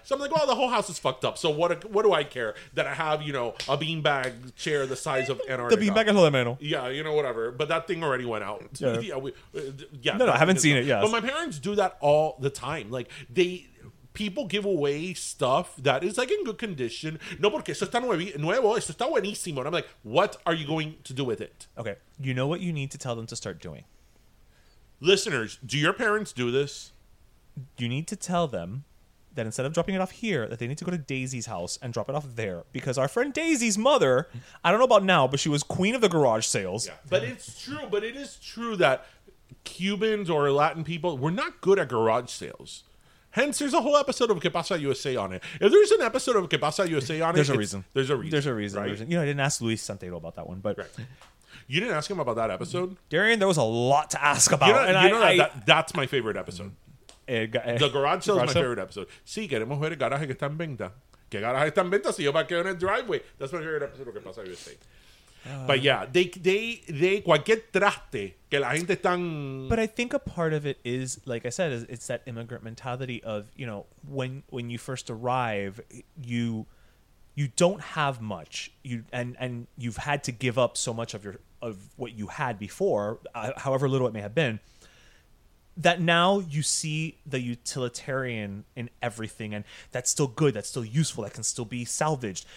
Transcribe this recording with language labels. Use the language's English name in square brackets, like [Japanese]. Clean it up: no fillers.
[English] So I'm like, well, the whole house is fucked up. So what do I care that I have, you know, a beanbag chair the size of Antarctica? The beanbag and Lemano. Yeah, you know, whatever. But that thing already went out. Yeah. No, I haven't seen it yet. But my parents do that all the time. Like, people give away stuff that is like in good condition. [Spanish] No, porque eso está nuevo, eso está buenísimo. [English] And I'm like, what are you going to do with it? Okay. You know what you need to tell them to start doing? Listeners, do your parents do this? You need to tell them that instead of dropping it off here, that they need to go to Daisy's house and drop it off there. Because our friend Daisy's mother, I don't know about now, but she was queen of the garage sales. Yeah. But it's true. But it is true that Cubans or Latin people, we're not good at garage sales. Hence, there's a whole episode of Que Pasa USA on it. If there's an episode of Que Pasa USA on it, there's a reason. There's a reason. There's a reason. Right? There's a, you know, I didn't ask Luis Santero about that one, but... Right. You didn't ask him about that episode? Darian, there was a lot to ask about. You know, and you know I, that, that's my favorite episode. The garage sale is my favorite episode. [Spanish] Sí, queremos ver el garaje que está en venta. ¿Qué garaje está en venta si yo va a quedar en el driveway? [English] That's my favorite episode of Que Pasa USA. But yeah, they [Spanish] cualquier traste que la gente están... [English] But I think a part of it is, like I said, is it's that immigrant mentality of, you know, when you first arrive, you don't have much, and you've had to give up so much of what you had before, however little it may have been, that now you see the utilitarian in everything, and that's still good, that's still useful, that can still be salvaged.